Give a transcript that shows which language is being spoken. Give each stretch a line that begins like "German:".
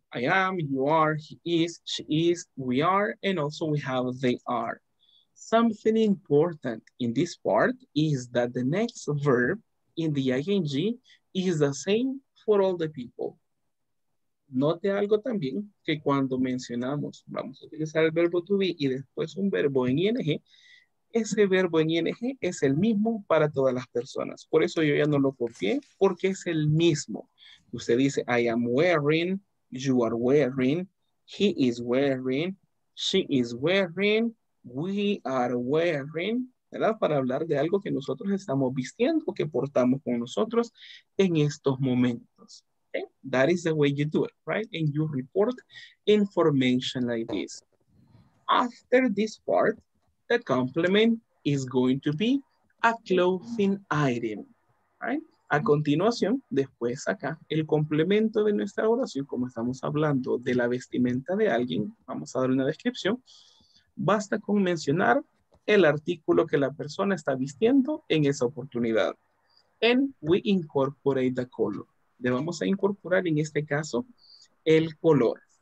English: I am, you are, he is, she is, we are, and also we have they are. Something important in this part is that the next verb in the ing is the same for all the people.
Spanish: Note algo también, que cuando mencionamos, vamos a utilizar el verbo to be y después un verbo en ing, ese verbo en ing es el mismo para todas las personas. Por eso yo ya no lo copié, porque es el mismo. Usted dice,
English: I am wearing, you are wearing, he is wearing, she is wearing, we are wearing, ¿verdad?
Spanish: Para hablar de algo que nosotros estamos vistiendo, que portamos con nosotros en estos momentos. ¿Okay?
English: That is the way you do it, right? And you report information like this. After this part, the complement is going to be a clothing item, right?
Spanish: A continuación, después acá, el complemento de nuestra oración, como estamos hablando de la vestimenta de alguien, vamos a dar una descripción, basta con mencionar el artículo que la persona está vistiendo en esa oportunidad.
English: And we incorporate the color.
Spanish: Le vamos a incorporar en este caso el color.